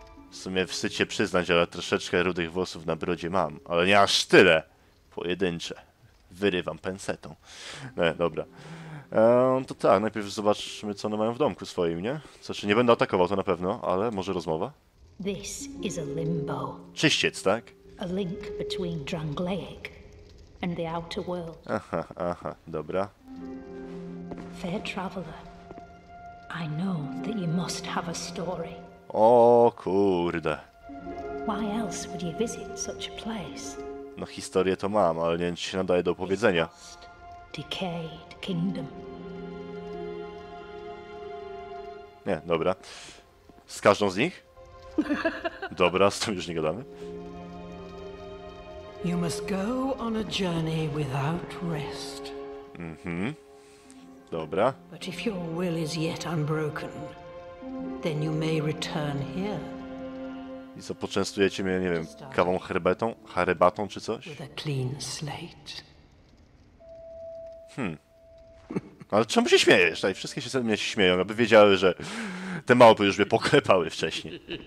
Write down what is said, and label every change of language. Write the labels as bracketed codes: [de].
[pl] W sumie wstyd się przyznać, ale troszeczkę rudych włosów na brodzie mam. Ale nie aż tyle. Pojedyncze. Wyrywam pensetą. Nie, dobra. To tak, najpierw zobaczmy, co one mają w domku swoim, nie? Znaczy, nie będę atakował, to na pewno, ale może rozmowa? [en] This is a limbo. [pl] Czyściec, tak? [en] A link between Drangleic and the outer world. [pl] Aha, dobra. [en] Fair traveler, I know that you must have a story. [pl] O kurde. [en] Why else would you visit such a place? [pl] No historię to mam, ale nie się nadaje do opowiedzenia. [en] Decayed kingdom. [pl] Nie, dobra. Z każdą z nich? Dobra, z tym już nie gadamy. [en] You must go on a journey without rest. [pl] Mhm. Dobra. [en] But if your will is yet unbroken, then you may return here. [pl] I co, poczęstujecie mnie, nie wiem, kawą herbatą? Herbatą czy coś? [en] With a clean slate. [pl] Hmm. Ale czemu się śmiejesz? Tak, wszystkie się ze mnie śmieją, aby wiedziały, że te małpy już mnie poklepały wcześniej.